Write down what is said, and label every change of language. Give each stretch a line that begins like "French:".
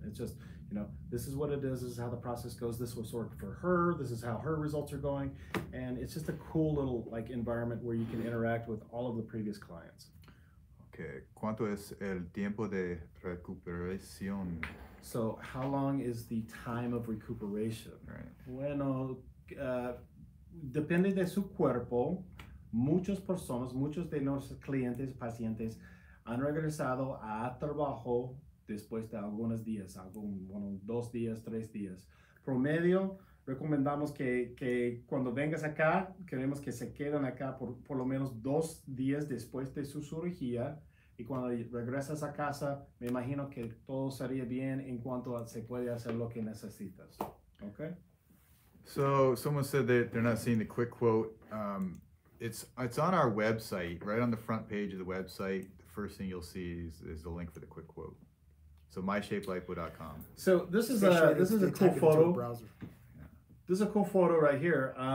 English: It's just, you know, this is what it is, this is how the process goes, this will work for her, this is how her results are going. And it's just a cool little like environment where you can interact with all of the previous clients.
Spanish: Okay, ¿cuánto es el tiempo de recuperación?
English: So how long is the time of recuperation? Right.
Spanish: Bueno, depende de su cuerpo. Muchas personas, muchos de nuestros clientes, pacientes, han regresado a trabajo después de algunos días, bueno, 2 días, 3 días. Promedio, recomendamos que cuando vengas acá, queremos que se queden acá por lo menos 2 días después de su cirugía. Y cuando regresas a casa, me imagino que todo sería bien en cuanto a se puede hacer lo que necesitas.
English: Okay? So, someone said that they're not seeing the quick quote. It's on our website, right on the front page of the website. The first thing you'll see is the link for the quick quote. So myshapelipo.com. So this is a cool photo. This is a cool photo right here.